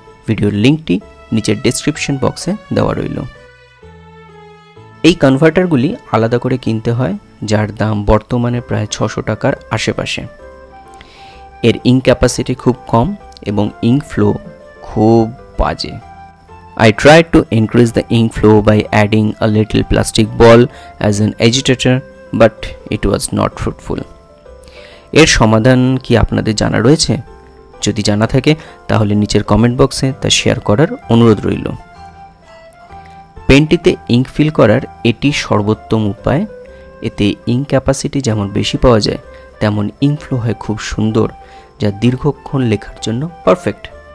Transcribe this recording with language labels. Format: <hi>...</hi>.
<bn>ভিডিওর লিঙ্কটি নিচের ডিসক্রিপশন বক্সে দেওয়া রইল। এই কনভার্টারগুলি আলাদা করে কিনতে হয়, যার দাম বর্তমানে প্রায় 600 টাকার আশেপাশে। এর ইং ক্যাপাসিটি খুব কম এবং ইং ফ্লো খুব বাজে।</bn> <en>I tried to increase the ink flow by adding a little plastic ball as an agitator, but it was not fruitful.</en> <bn>এর সমাধান কি আপনাদের জানা রয়েছে? যদি জানা থাকে তাহলে নিচের কমেন্ট বক্সে তা শেয়ার করার অনুরোধ রইল। পেনটিতে ইঙ্ক ফিল করার এটি সর্বোত্তম উপায়। এতে ইঙ্ক ক্যাপাসিটি যেমন বেশি পাওয়া যায়, তেমন ইঙ্ক ফ্লো হয় খুব সুন্দর, যা দীর্ঘক্ষণ লেখার জন্য পারফেক্ট।</bn>